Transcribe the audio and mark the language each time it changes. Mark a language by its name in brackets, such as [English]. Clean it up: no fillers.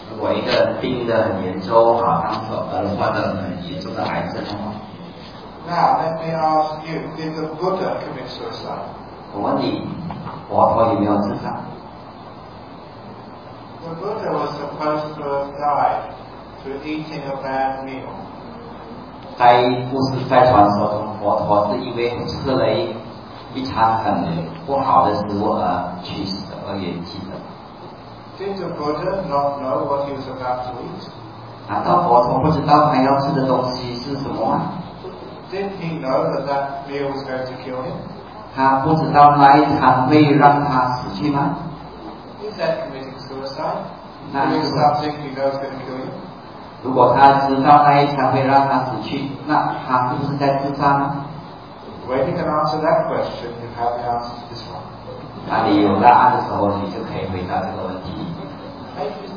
[Chinese] 我一个病得很严重，好像得了患了很严重的癌症哦。 [English] Now, let me ask you, did the Buddha commit suicide? [Chinese] 我问你, 佛陀有没有自杀? [English] The Buddha was supposed to have died through eating a bad meal. [Chinese] 在故事在传说中，佛陀是因为吃了一餐很不好的食物而去世的，而圆寂的。 [English] Did the Buddha not know what he was about to eat? [Chinese] 难道佛陀不知道他要吃的东西是什么吗？ [English] Did he know that that meal was going to kill him? [Chinese] 他不知道那一餐会让他死去吗？ [English] Is that committing suicide? Is it something he knows going to kill him? [Chinese] 如果他知道那一餐会让他死去，那他不是在自杀吗？ [English] When you can answer that question, you have the answer to this one. [Chinese] 当你有答案的时候，你就可以回答这个问题。